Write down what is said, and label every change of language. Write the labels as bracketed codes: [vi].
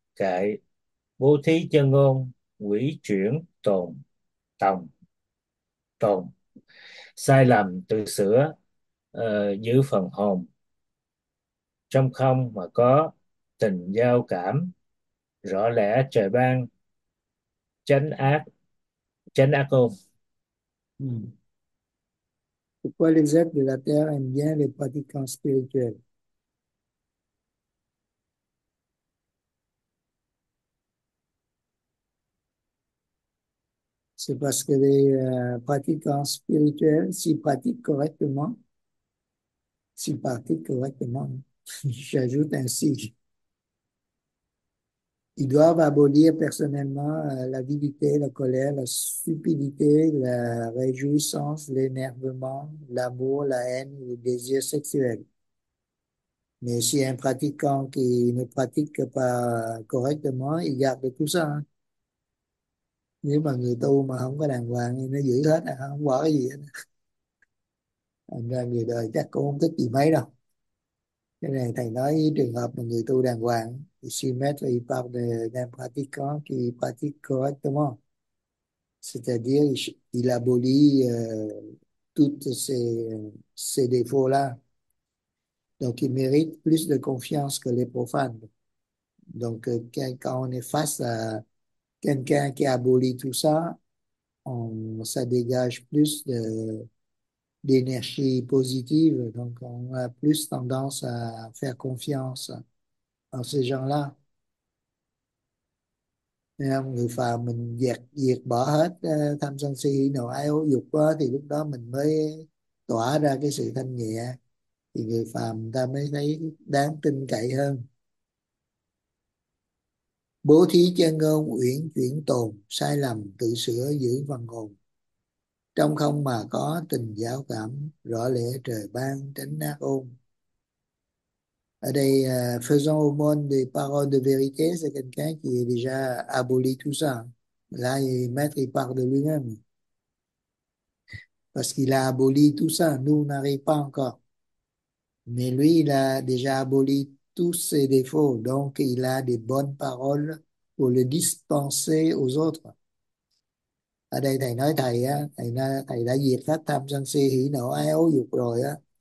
[vi] Kệ bố thí chân ngôn, quỷ chuyển tồn tòng tồn, sai lầm tự sửa, giữ phần hồn trong không mà có tình giao cảm, rõ lẽ trời ban, chánh ác ôn. [fr] Pourquoi les êtres de la terre aiment bien les pratiquants spirituels? C'est parce que les pratiquants spirituels, s'ils pratiquent correctement, s'ils pratiquent correctement, j'ajoute ainsi, ils doivent abolir personnellement l'avidité, la colère, la stupidité, la réjouissance, l'énervement, l'amour, la haine, le désir sexuel. Mais si un pratiquant qui ne pratique pas correctement, il garde tout ça. Hein? [vi] Nếu mà người tu mà không có đàng hoàng thì nó giữ hết, là không bỏ cái gì hết. Thành ra người đời chắc cũng không thích gì mấy đâu. Cái này thầy nói trường hợp mà người tu đàng hoàng. [fr] Si maître, il parle d'un pratiquant qui pratique correctement. C'est-à-dire, il abolit toutes ces défauts-là. Donc, il mérite plus de confiance que les profanes. Donc, quand on est face à quelqu'un qui abolit tout ça, ça dégage plus d'énergie positive. Donc, on a plus tendance à faire confiance à ces gens-là. [vi] Người phàm mình diệt bỏ hết tham sân si nộ ái ố dục quá thì lúc đó mình mới tỏa ra cái sự thanh nhẹ, thì người phàm ta mới thấy đáng tin cậy hơn. Bố thí chân ngôn uyển chuyển tồn, sai lầm tự sửa giữ phần hồn, trong không mà có tình giao cảm, rõ lẽ trời ban, tránh ác ôn. Ở đây, [fr] faisons aumône des paroles de vérité, c'est quelqu'un qui a déjà aboli tout ça. Là, le maître, il parle de lui-même. Parce qu'il a aboli tout ça, nous, on n'arrive pas encore. Mais lui, il a déjà aboli tous ses défauts, donc il a des bonnes paroles pour le dispenser aux autres. [vi] Ở đây, thầy nói thầy, á, thầy, nói, thầy đã diệt hết tham sân si hỷ nộ ái ố dục rồi á.